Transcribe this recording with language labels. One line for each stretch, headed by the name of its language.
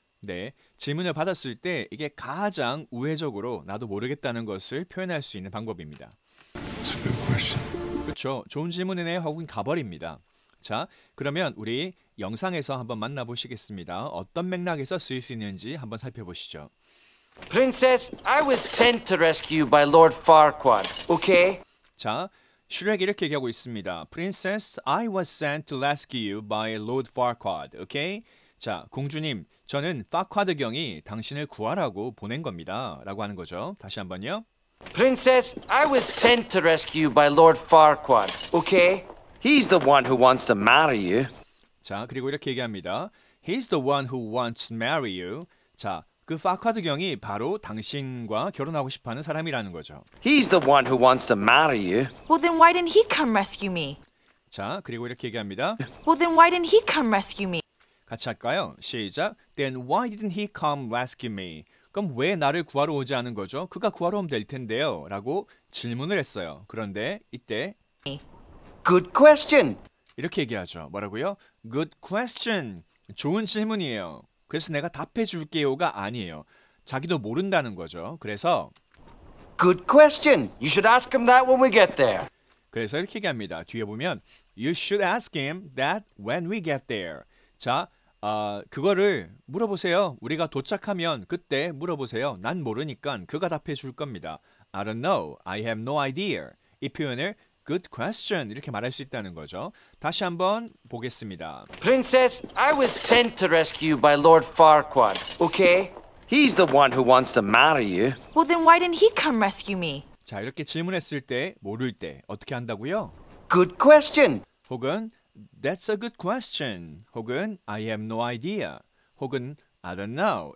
Korean: 네, 질문을 받았을 때 이게 가장 우회적으로 나도 모르겠다는 것을 표현할 수 있는 방법입니다.
English: That's a good question.
Korean: 그렇죠. 좋은 질문이네. 혹은 가버립니다. 자, 그러면 우리 영상에서 한번 만나보시겠습니다. 어떤 맥락에서 쓰일 수 있는지 한번 살펴보시죠.
English: Princess, I was sent to rescue by Lord Farquaad. Okay?
Korean: 자, 슈렉이 이렇게 얘기하고 있습니다.
English: Princess, I was sent to rescue by Lord Farquaad. Okay?
Korean: 자, 공주님, 저는 파콰드경이 당신을 구하라고 보낸 겁니다. 라고 하는 거죠. 다시 한번요.
English: Princess, I was sent to rescue by Lord Farquaad. Okay? He's the one who wants to marry you.
Korean: 자, 그리고 이렇게 얘기합니다.
English: He's the one who wants to marry you.
Korean: 자, 그 파콰드경이 바로 당신과 결혼하고 싶어하는 사람이라는 거죠.
English: He's the one who wants to marry you. Well, then why didn't he come rescue me?
Korean: 자, 그리고 이렇게 얘기합니다.
English: Well, then why didn't he come rescue me?
Korean: 같이 할까요? 시작.
English: Then why didn't he come rescue me?
Korean: 그럼 왜 나를 구하러 오지 않은 거죠? 그가 구하러 오면 될 텐데요. 라고 질문을 했어요. 그런데 이때
English: Good question.
Korean: 이렇게 얘기하죠. 뭐라고요?
English: Good question.
Korean: 좋은 질문이에요. 그래서 내가 답해 줄게요가 아니에요. 자기도 모른다는 거죠. 그래서
English: Good question. You should ask him that when we get there.
Korean: 이렇게 얘기합니다. 뒤에 보면
English: You should ask him that when we get there.
Korean: 자, 그거를 물어보세요. 우리가 도착하면 그때 물어보세요. 난 모르니까 그가 답해 줄 겁니다.
English: I don't know. I have no idea.
Korean: 이 표현을
English: good question
Korean: 이렇게 말할 수 있다는 거죠. 다시 한번 보겠습니다.
English: Princess, I was sent to rescue by Lord Farquaad. Okay? He's the one who wants to marry you. Well, then why didn't he come rescue me?
Korean: 자, 이렇게 질문했을 때, 모를 때 어떻게 한다고요?
English: Good question. 혹은 That's a good question. 혹은 I have no idea. 혹은 I don't know.